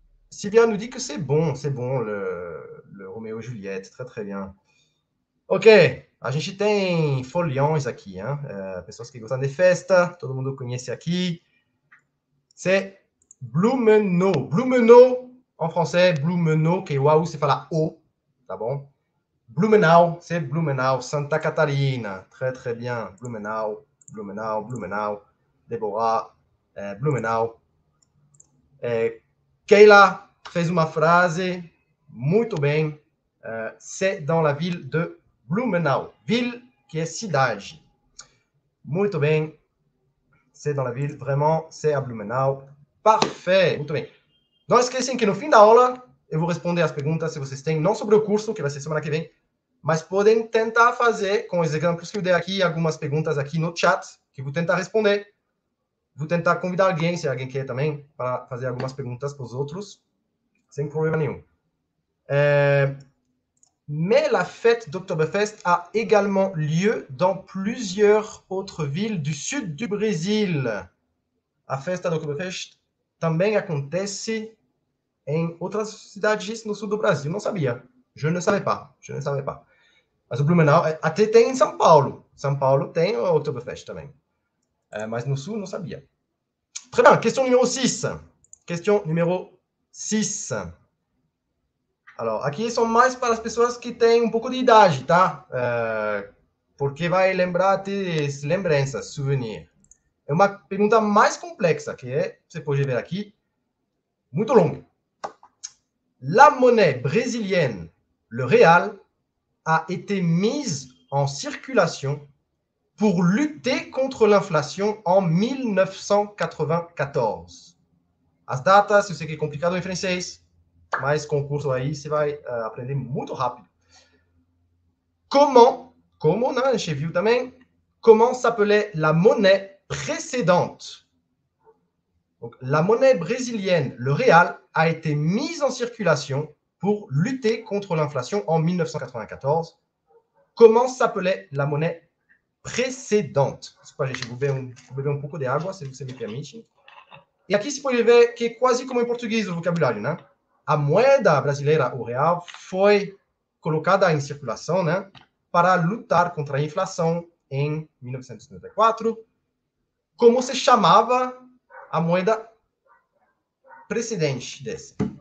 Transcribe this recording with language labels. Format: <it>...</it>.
<fr>Sylvia nous dit que c'est bon le Roméo et Juliette, très très bien.</fr> <pt>Ok, a gente tem folhões aqui, hein? Pessoas que gostam de festa, todo mundo conhece aqui.</pt> <fr>C'est Blumenau. Blumenau, en français, Blumenau, que waouh, c'est falar o,</fr> <pt>tá bom?</pt> <fr>Blumenau, c'est Blumenau, Santa Catarina, très très bien. Blumenau, Blumenau, Blumenau, Deborah, Blumenau.</fr> <pt>Keila, fez uma frase, muito bem.</pt> <fr>C'est dans la ville de Blumenau. Ville,</fr> <pt>que é cidade. Muito bem.</pt> <fr>C'est dans la ville, vraiment, c'est à Blumenau.</fr> <pt>Parfait, muito bem. Não esqueçam que no fim da aula eu vou responder as perguntas, se vocês têm, não sobre o curso, que vai ser semana que vem, mas podem tentar fazer com os exemplos que eu dei aqui, algumas perguntas aqui no chat, que eu vou tentar responder. Vou tentar convidar alguém, se alguém quer também, para fazer algumas perguntas para os outros. Sem problema nenhum.</pt> <fr>Mais la fête d'Oktoberfest a également lieu dans plusieurs autres villes du sud du Brésil.</fr> <pt>A festa d'Oktoberfest também acontece em outras cidades no sul do Brasil. Não sabia.</pt> <fr>Je ne savais pas.</fr> <pt>Je ne savais pas. Mas o Blumenau até tem em São Paulo. São Paulo tem o Oktoberfest também. Mas no sul não sabia.</pt> <fr>Très bien.</fr> <pt>Question número 6. Question número 6. Alors, aqui são mais para as pessoas que têm um pouco de idade, tá? Porque vai lembrar ter lembranças, souvenir. É uma pergunta mais complexa, que é, você pode ver aqui, muito longa.</pt> <fr>La monnaie brésilienne, le real, a été mise en circulation pour lutter contre l'inflation en 1994.</fr> <pt>As datas, eu sei que é complicado em francês. Mas concurso aí você vai aprender muito rápido. Como, né? A gente viu também.</pt> <fr>Comment s'appelait la monnaie précédente? Donc, la monnaie brésilienne, le real, a été mise en circulation pour lutter contre l'inflation en 1994. Comment s'appelait la monnaie précédente? Je vais vous un peu d'eau, si vous me permettez. Et ici, vous pouvez voir que quasi comme en portugais, le vocabulaire, né?</fr> <pt>A moeda brasileira, o real, foi colocada em circulação, né, para lutar contra a inflação em 1994. Como se chamava a moeda precedente desse?</pt>